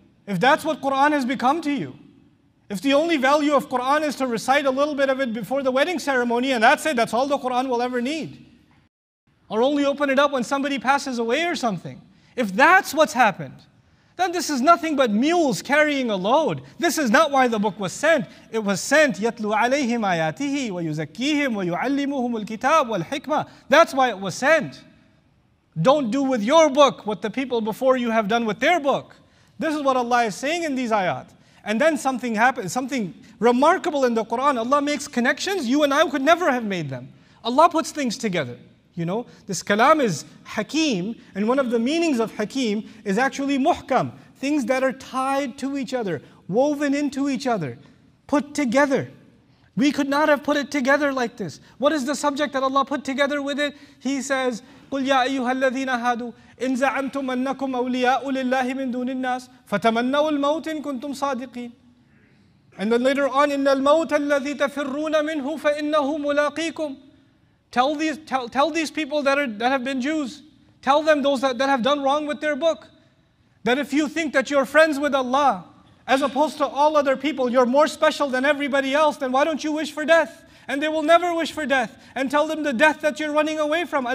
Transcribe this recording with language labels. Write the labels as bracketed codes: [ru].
[en] If that's what Qur'an has become to you. If the only value of Qur'an is to recite a little bit of it before the wedding ceremony and that's it, that's all the Qur'an will ever need. Or only open it up when somebody passes away or something. If that's what's happened, then this is nothing but mules carrying a load. This is not why the book was sent. It was sent, [ar] يَتْلُوا عَلَيْهِمْ آيَاتِهِ وَيُزَكِّيهِمْ وَيُعَلِّمُهُمُ الْكِتَابِ وَالْحِكْمَةِ. [en] That's why it was sent. Don't do with your book what the people before you have done with their book. This is what Allah is saying in these ayat. And then something happens, something remarkable in the Qur'an. Allah makes connections, you and I could never have made them. Allah puts things together. You know, this kalam is hakim, and one of the meanings of hakim is actually muhkam. Things that are tied to each other, woven into each other, put together. We could not have put it together like this. What is the subject that Allah put together with it? He says, [ar] قُلْ يَا أَيُّهَا الَّذِينَ هَادُوا إِنْ زَعَمْتُمْ أَنَّكُمْ أَوْلِيَاءُ لِلَّهِ مِنْ دُونِ النَّاسِ فَتَمَنَّوا الْمَوْتِ إِنْ كُنْتُمْ صَادِقِينَ. [en] And then later on, [ar] إِنَّ الْمَوْتَ الَّذِي تَفِرُّونَ مِنْهُ فَإِنَّهُ مُلَاقِيكُمْ. [en] Tell these people that have been Jews, tell them those that have done wrong with their book, that if you think that you're friends with Allah, as opposed to all other people, you're more special than everybody else, then why don't you wish for death? And they will never wish for death. And tell them the death that you're running away from.